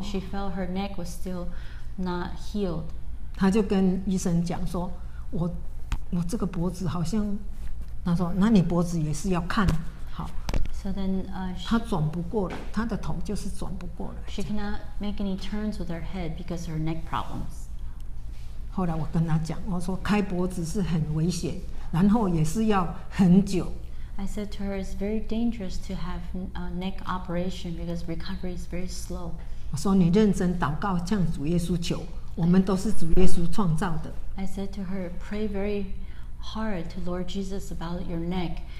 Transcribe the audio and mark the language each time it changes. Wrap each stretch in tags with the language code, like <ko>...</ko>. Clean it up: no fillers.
<en>she felt her neck was still not healed.</en> <zh>她就跟医生讲说，我这个脖子好像，她说，那你脖子也是要看好。</zh> <en>So then,</en> <zh>she, 她转不过来，她的头就是转不过来。</zh> <en>She cannot make any turns with her head because of her neck problems.</en> <zh>后来我跟她讲，我说开脖子是很危险，然后也是要很久。</zh> <en>I said to her, it's very dangerous to have a neck operation because recovery is very slow.</en> <zh>我说你认真祷告，向主耶稣求，我们都是主耶稣创造的。</zh> <en>I said to her, pray very hard to Lord Jesus about your neck.</en>